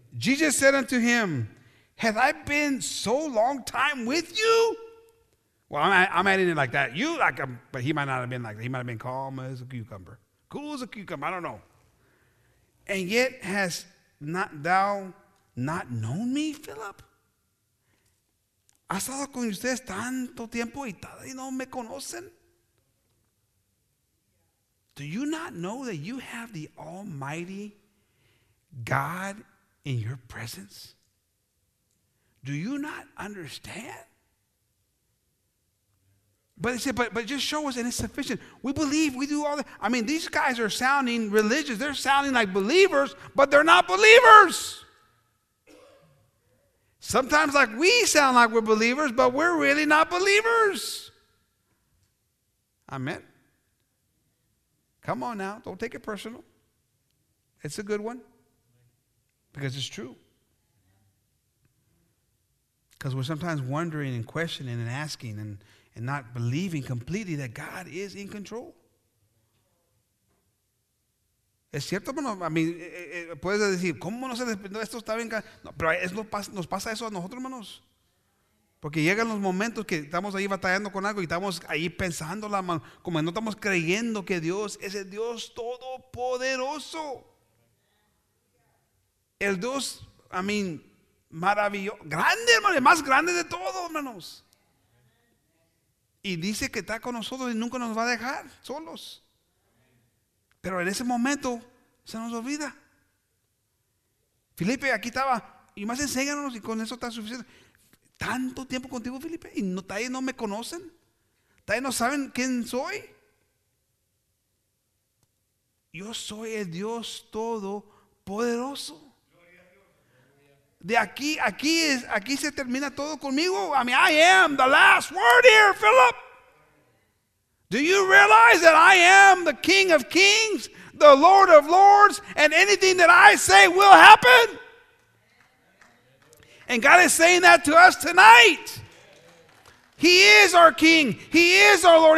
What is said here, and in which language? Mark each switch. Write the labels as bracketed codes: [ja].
[en] Jesus said unto him, Hath I been so long time with you? Well, I'm adding it like that. You, like, but he might not have been like that. He might have been calm as a cucumber. Cool as a cucumber. I don't know. And yet hast not thou not known me, Philip? [es] ¿Ha estado con ustedes tanto tiempo y todavía no me conocen? [en] Do you not know that you have the Almighty God in your presence? Do you not understand? But they said, but just show us and it's sufficient. We believe, we do all that. I mean, these guys are sounding religious. They're sounding like believers, but they're not believers. Sometimes like we sound like we're believers, but we're really not believers. Amen. Come on now, don't take it personal. It's a good one because it's true. Because we're sometimes wondering and questioning and asking and not believing completely that God is in control. [es] Es cierto, bueno, [en] I mean, [es] puedes decir, ¿cómo no se despidió? Esto está bien. No, pero nos pasa eso a nosotros, hermanos. Porque llegan los momentos que estamos ahí batallando con algo y estamos ahí pensando, la mano, como no estamos creyendo que Dios es el Dios todopoderoso. El Dios, [en] I mean, [es] maravilloso, grande, hermano, el más grande de todos, hermanos. Y dice que está con nosotros y nunca nos va a dejar solos. Pero en ese momento se nos olvida. Felipe, aquí estaba. Y más enséñanos y con eso está suficiente. Tanto tiempo contigo, Felipe, y no, todavía no me conocen. Todavía no saben quién soy. Yo soy el Dios Todopoderoso. De aquí, aquí es, aquí se termina todo conmigo. [en] I mean, I am the last word here, Philip. Do you realize that I am the King of Kings, the Lord of Lords, and anything that I say will happen? And God is saying that to us tonight. He is our King. He is our Lord.